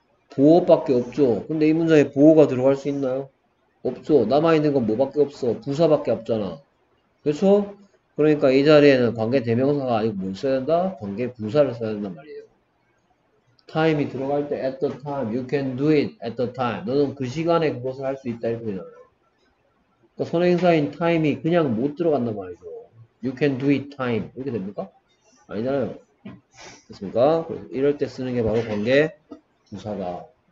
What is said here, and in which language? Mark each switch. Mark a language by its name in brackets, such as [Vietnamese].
[Korean] 보어밖에 없죠. 근데 이 문장에 보어가 들어갈 수 있나요? 없죠. 남아있는 건 뭐밖에 없어? 부사밖에 없잖아. 그렇죠? 그러니까 이 자리에는 관계대명사가 아니고 뭘 써야 된다? 관계부사를 써야 된단 말이에요. [English] time이 [Korean] 들어갈 때 [English] at the time, you can do it at the time. [Korean] 너는 그 시간에 그것을 할 수 있다 이렇게 되잖아요. 그러니까 선행사인 time이 그냥 못 들어간단 말이죠. [English] you can do it time [Korean] 이렇게 됩니까? 아니잖아요. 됐습니까? 이럴 때 쓰는 게 바로 관계 부사다.